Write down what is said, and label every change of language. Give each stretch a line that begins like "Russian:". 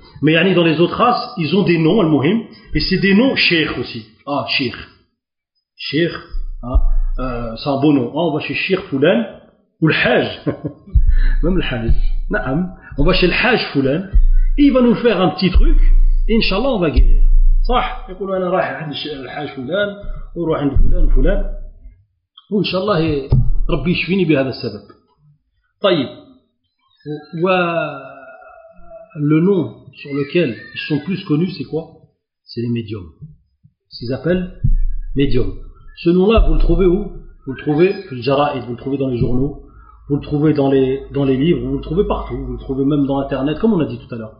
French: Mais yani, dans les autres races, ils ont des noms, al-muhim, et c'est des noms sheikh aussi. Ah, sheikh. Sheikh, c'est un bon nom. On va chez Sheikh Foulan, ou le Hajj. Même le Hajj. Naam. On va chez le Hajj Foulan, et il va nous faire un petit truc, et Inch'Allah, on va guérir.
Arabic: صح يقولوا انا رايح عند الحاج فلان وروح عند فلان وان شاء الله ربي يشفيني بهذا السبب. طيب و
French: le nom sur lequel ils sont plus connus c'est quoi? C'est les médiums. S'ils appellent médiums. Ce nom là vous le trouvez où? Vous le trouvez sur le jaraïd, vous le trouvez dans les journaux, vous le trouvez dans les livres, vous le trouvez partout, vous le trouvez même dans internet comme on a dit tout à l'heure.